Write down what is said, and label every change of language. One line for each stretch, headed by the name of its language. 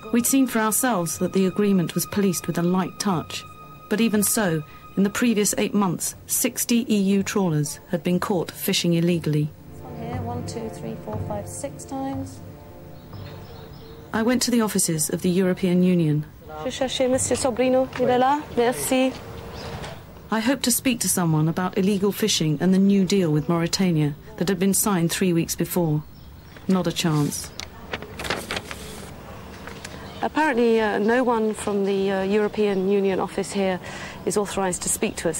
English: We'd seen for ourselves that the agreement was policed with a light touch. But even so, in the previous 8 months, 60 EU trawlers had been caught fishing illegally. This one here, 1, 2, 3, 4, 5, 6 times. I went to the offices of the European Union.
French: Je cherche Monsieur Sobrino, il est là, merci.
English: I hoped to speak to someone about illegal fishing and the new deal with Mauritania that had been signed 3 weeks before. Not a chance. Apparently, no one from the European Union office here is authorised to speak to us.